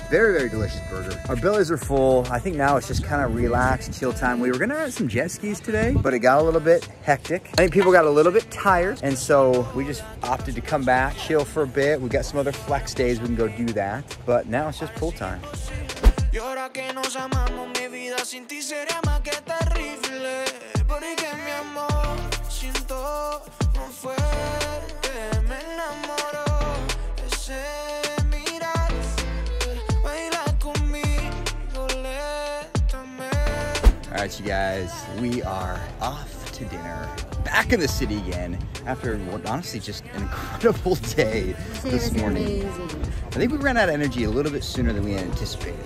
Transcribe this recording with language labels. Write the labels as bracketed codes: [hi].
[en] Very, very delicious burger. Our bellies are full. I think now it's just kind of relaxed, chill time. We were gonna rent some jet skis today, but it got a little bit hectic. I think people got a little bit tired. And so we just opted to come back, chill for a bit. We got some other flex days we can go do that. But now it's just pool time. [es] Y ahora que nos amamos, mi vida sin ti sería más que terrible. Porque mi amor siento muy fuerte, me enamoró ese mirar. Baila conmigo lentamente. [en] All right, you guys, we are off to dinner. Back in the city again after honestly just an incredible day this morning. Amazing. I think we ran out of energy a little bit sooner than we anticipated.